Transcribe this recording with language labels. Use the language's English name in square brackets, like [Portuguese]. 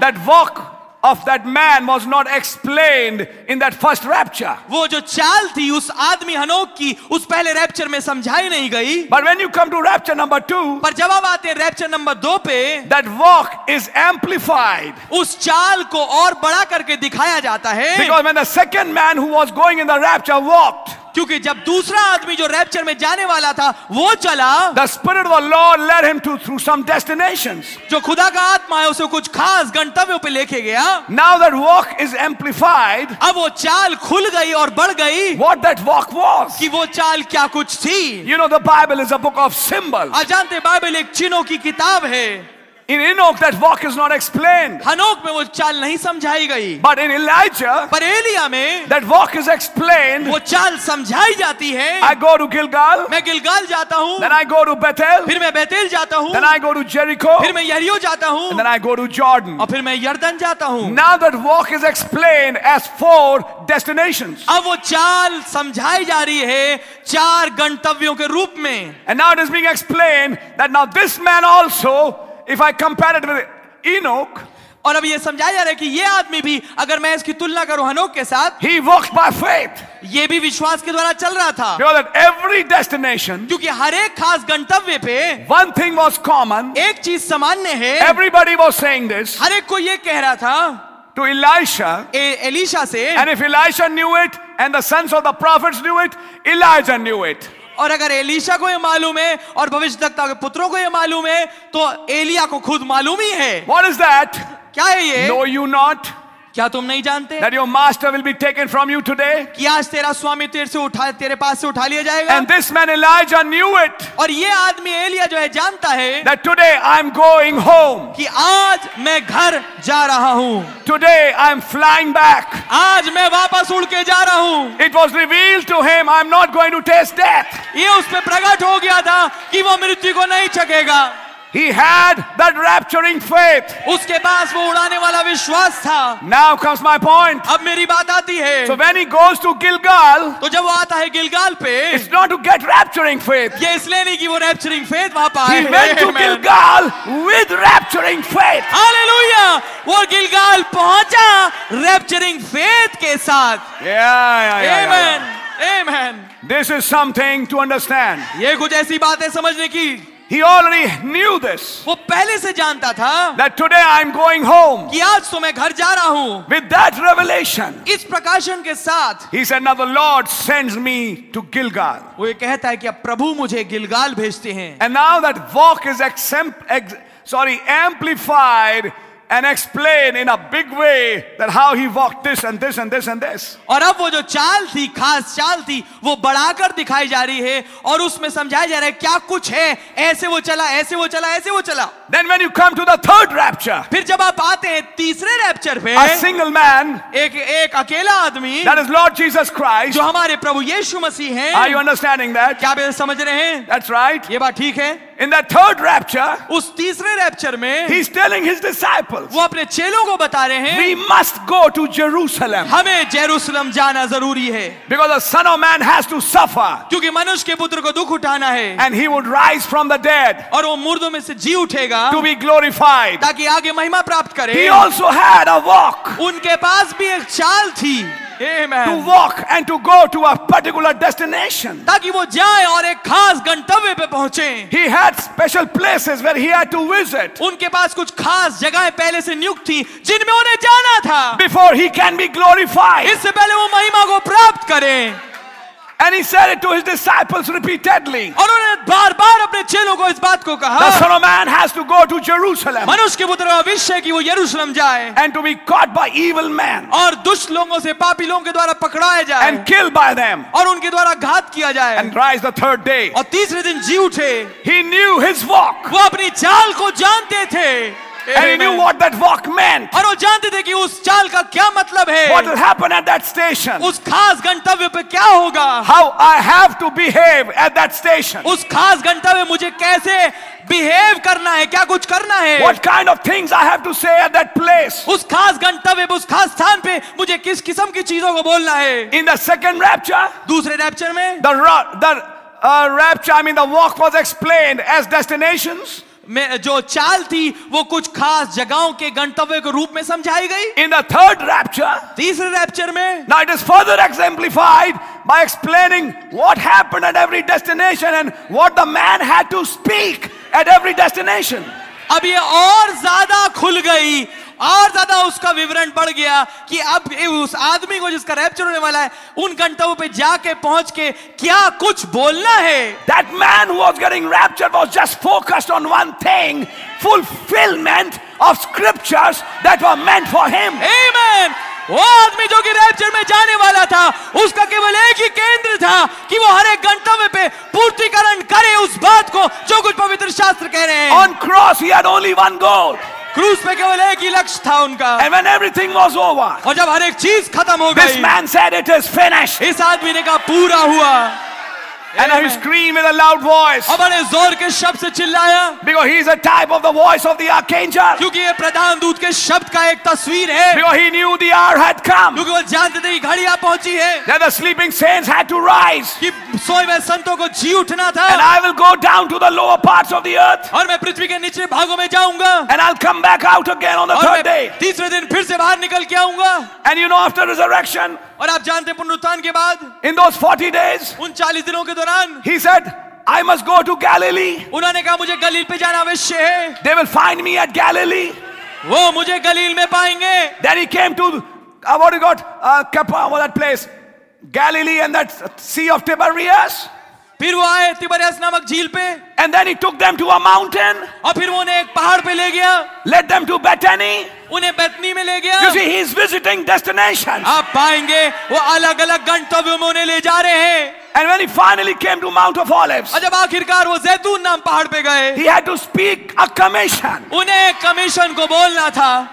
[English] That walk of that man was not explained in that first rapture. [Hindi] वो जो चाल थी उस आदमी हनोक की उस पहले रैप्चर में समझाई नहीं गई. [English] But when you come to rapture number 2, [Hindi] पर जब आप आते हैं रैप्चर नंबर दो पे, [English] that walk is amplified. [Hindi] उस चाल को और बड़ा करके दिखाया जाता है. [English] Because when the second man who was going in the rapture walked. [Hindi] क्योंकि जब दूसरा आदमी जो रैप्चर में जाने वाला था वो चला. [English] The Spirit of the Lord led him to through some destinations. [Hindi] जो खुदा का आत्मा है उसे कुछ खास गंतव्यों पे लेके गया. [English] Now that walk is amplified. [Hindi] अब वो चाल खुल गई और बढ़ गई. [English] What that walk was. [Hindi] कि वो चाल क्या कुछ थी. [English] You know the Bible is a book of symbols. [Hindi] आप जानते हैं बाइबल एक चिन्हों की किताब है. [English] In Enoch, that walk is not explained. [Hindi] हनोक में वो चाल नहीं समझाई गई. [English] But in Elijah, [Hindi] पर एलिया में, [English] that walk is explained. [Hindi] वो चाल समझाई जाती है. [English] I go to Gilgal, [Hindi] मैं गिलगाल जाता हूँ. [English] Then I go to Bethel, [Hindi] फिर मैं बेतेल जाता हूँ. [English] Then I go to Jericho, [Hindi] फिर मैं यरियो जाता हूँ. [English] Then I go to Jordan, [Hindi] और फिर मैं यर्दन जाता हूँ. [English] Now that walk is explained as 4 destinations. [Hindi] अब वो चाल समझाई जा रही है चार गंतव्यों के रूप में. [English] And now it is being explained that now this man also. If I compare it with Enoch, [Hindi] और अब ये समझाया जा रहा है कि ये आदमी भी अगर मैं इसकी तुलना करूं हनोक के साथ, [English] he walked by faith. [Hindi] ये भी विश्वास के द्वारा चल रहा था. [English] Because at every destination, [Hindi] क्योंकि हर एक खास गंतव्य पे, [English] one thing was common, [Hindi] एक चीज सामान्य है. [English] Everybody was saying this, [Hindi] हर एक को ये कह रहा था. [English] To Elisha, [Hindi] Elisha से, [English] and if Elisha knew it, and the sons of the prophets knew it, Elijah knew it. [Hindi] और अगर एलिशा को यह मालूम है और भविष्यद्वक्ता के पुत्रों को यह मालूम है तो एलिया को खुद मालूम ही है. [English] What is that? [Hindi] क्या है ये? [English] Know you not? [Hindi] क्या तुम नहीं जानते? [English] That your master will be taken from you today. [Hindi] कि आज तेरा स्वामी तेरे पास से उठा लिया जाएगा. [English] And this man Elijah knew it. [Hindi] और ये आदमी एलिया जो है जानता है. [English] That today I'm going home. [Hindi] कि आज मैं घर जा रहा हूँ. [English] Today I'm flying back. [Hindi] आज मैं वापस उड़ के जा रहा हूँ. [English] It was revealed to him I'm not going to taste death. [Hindi] ये उस पे प्रकट हो गया था कि वो मृत्यु को नहीं चखेगा. [English] He had that rapturing faith. [Hindi] उसके पास वो उड़ाने वाला विश्वास था. [English] Now comes my point. [Hindi] अब मेरी बात आती है. [English] So when he goes to Gilgal, [Hindi] तो जब वो आता है गिलगाल पे, [English] it's not to get rapturing faith. [Hindi] ये इसलिए नहीं कि वो [English] rapturing faith [Hindi] वहाँ पाए. [English] He went to Gilgal with rapturing faith. Hallelujah! [Hindi] वो गिलगाल पहुँचा [English] rapturing faith [Hindi] के साथ. [English] Yeah. Amen. This is something to understand. [Hindi] ये कुछ ऐसी बातें समझने की. [English] He already knew this. [Hindi] वो पहले से जानता था. [English] That today I'm going home. [Hindi] कि आज तो मैं घर जा रहा हूँ. [English] With that revelation. [Hindi] इस प्रकाशन के साथ. [English] He said, "Now the Lord sends me to Gilgal." [Hindi] वो ये कहता है कि अब प्रभु मुझे गिलगाल भेजते हैं. [English] And now that walk is amplified and explained in a big way that how he walked this and this and this and this. [Hindi] और अब वो जो चाल थी, खास चाल थी, वो बढ़ाकर दिखाई जा रही है और उसमें समझाया जा रहा है क्या कुछ है. ऐसे वो चला, ऐसे वो चला, ऐसे वो चला. [English] Then when you come to the third rapture, [Hindi] फिर जब आप आते हैं तीसरे रैप्चर पे, [English] a single man, [Hindi] एक अकेला आदमी, [English] that is Lord Jesus Christ, [Hindi] जो हमारे प्रभु यीशु मसीह हैं. [English] Are you understanding that? [Hindi] क्या आप समझ रहे हैं? [English] That's right. [Hindi] ये बात ठीक है. [English] In that third rapture, [Hindi] उस तीसरे रैप्चर में, [English] he's telling his disciples, [Hindi] वो अपने चेलों को बता रहे हैं, [English] we must go to Jerusalem, [Hindi] हमें जेरूसलम जाना जरूरी है, [English] because the Son of Man has to suffer, [Hindi] क्योंकि मनुष्य के पुत्र को दुख उठाना है, [English] and he would rise from the dead, [Hindi] और वो मुर्दों में से जी उठेगा. [English] To be glorified. [Hindi] ताकि आगे महिमा प्राप्त करे. [English] He also had a walk. [Hindi] उनके पास भी एक चाल थी. [English] Amen. To walk and to go to a particular destination. [Hindi] ताकि वो जाए और एक खास गंतव्य पे पहुंचे. [English] He had special places where he had to visit. [Hindi] उनके पास कुछ खास जगहें पहले से नियुक्त थी जिनमें उन्हें जाना था. [English] Before he can be glorified. [Hindi] इससे पहले वो महिमा को प्राप्त करे. [English] And he said it to his disciples repeatedly. [Hindi] और उन्होंने बार-बार अपने चेलों को इस बात को कहा. [English] The Son of Man has to go to Jerusalem. [Hindi] मनुष्य के पुत्र अवश्य कि वो यरूशलेम जाए. [English] And to be caught by evil men. [Hindi] और दुष्ट लोगों से, पापी लोगों के द्वारा पकड़ाया जाए. [English] And killed by them. [Hindi] और उनके द्वारा घात किया जाए. [English] And rise the third day. [Hindi] और तीसरे दिन जी उठे. [English] He knew his walk. [Hindi] वो अपनी चाल को जानते थे. [English] And he knew what that walk meant. [Hindi] और वो जानते थे कि उस चाल का क्या मतलब है. [English] What will happen at that station? [Hindi] उस खास गंतव्य पे क्या होगा? [English] How I have to behave at that station? [Hindi] उस खास गंतव्य मुझे कैसे बिहेव करना है, क्या कुछ करना है? [English] What kind of things I have to say at that place? [Hindi] उस खास गंतव्य पे, उस खास स्थान पे मुझे किस किस्म की चीजों को बोलना है? [English] In the second rapture? [Hindi] दूसरे रैप्चर में? [English] The walk was explained as destinations. [Hindi] में जो चाल थी वो कुछ खास जगहों के गंतव्य के रूप में समझाई गई. [English] in the third rapture, [Hindi] तीसरे रैप्चर में, [English] Now it is further exemplified by explaining what happened at every destination and what the man had to speak at every destination. [Hindi] अब ये और ज्यादा खुल गई और ज्यादा उसका विवरण बढ़ गया कि अब उस आदमी को जिसका रैप्चर होने वाला है उन गंतव्यों पे जाके पहुंच के क्या कुछ बोलना है. [English] That man who was getting raptured was just focused on one thing, fulfillment of scriptures that were meant for him. Amen. [Hindi] वो आदमी जो कि रैप्चर में जाने वाला था उसका केवल एक ही केंद्र था कि वो हर एक गंतव्य पे पूर्तिकरण करे उस बात को जो कुछ पवित्र शास्त्र कह रहे हैं. [English] On cross he had only one goal. [Hindi] क्रूस पे केवल एक ही लक्ष्य था उनका. [English] And when everything was over, [Hindi] और जब हर एक चीज खत्म हो गई, [English] this man said it is finished. [Hindi] इस आदमी ने कहा पूरा हुआ. [English] And he screamed with a loud voice. [Hindi] और बड़े जोर के शब्द से चिल्लाया. [English] Because he is a type of the voice of the archangel. [Hindi] क्योंकि ये प्रधान दूत के शब्द का एक तस्वीर है. [English] Because he knew the hour had come. [Hindi] क्योंकि वो जानते थे कि घड़ी आ पहुंची है. [English] That the sleeping saints had to rise. [Hindi] कि सोए हुए संतों को जी उठना था. [English] And I will go down to the lower parts of the earth. [Hindi] और मैं पृथ्वी के निचले भागों में जाऊंगा. [English] And I'll come back out again on the third day. [Hindi] तीसरे दिन फिर से बाहर निकल के आऊंगा. [English] And you know after resurrection. [Hindi] और आप जानते पुनरुत्थान के बाद, [English] in those 40 days, [Hindi] उन 40 दिनों के दौरान, [English] he said, I must go to Galilee. [Hindi] उन्होंने कहा मुझे गलील पे जाना अवश्य है. [English] They will find me at Galilee. [Hindi] वो मुझे गलील में पाएंगे. [English] Then he came to that place, Galilee and that Sea of Tiberias. [Hindi] फिर वो आए तिबरियास नामक झील पे. [English] And then he took them to a mountain. [Hindi] और फिर वो उन्हें एक पहाड़ पे ले गया. [English] Led them to Bethany. [Hindi] उन्हें बेथनी में ले गया. [English] You see, he is visiting destinations. [Hindi] आप पाएंगे वो अलग अलग गंतव्यों में उन्हें ले जा रहे हैं. [English] And when he finally came to Mount of Olives, [Hindi] जब आखिरकार वो जैतून नाम पहाड़ पे गए, [English] he had to speak a commission. [Hindi] उन्हें कमीशन को बोलना था.